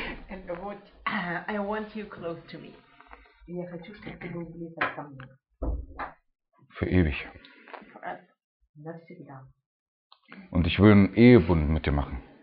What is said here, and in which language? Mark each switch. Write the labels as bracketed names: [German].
[English] And what I want you close to me. [Russian] Я хочу, чтобы ты был близко ко мне. [German] Für ewig. [Russian] Навсегда. [German] Und ich will einen Ehebund mit dir machen.